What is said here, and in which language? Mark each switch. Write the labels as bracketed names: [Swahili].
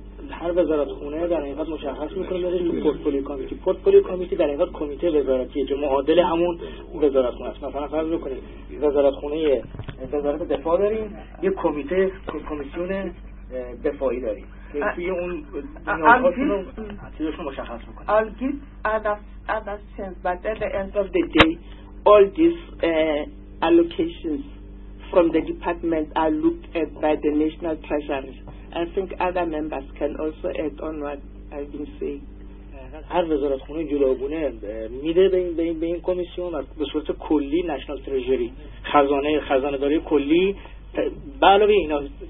[Persian] هر وزارت خونه در حقیقت مشخص میکنه داره پورتفولیو کمیتی. پورتفولیو کمیتی در حقیقت کمیته وزارتیه که معادل همون وزارت خونه است. مثلا فرض بکنید وزارت خونه وزارت دفاع داریم، یه کمیته کمیسیون دفاعی داریم. [English] I'll give other chance, but at the end of the day, all these allocations from the department are looked at by the National Treasury. I think other members can also add on what I've been saying. [Persian] حقیقت هر وزارتخونه جلوگونه میده به این کمیسیون به صورت کلی نشنال تریجری خزانه داری کلی به علاوه اینا.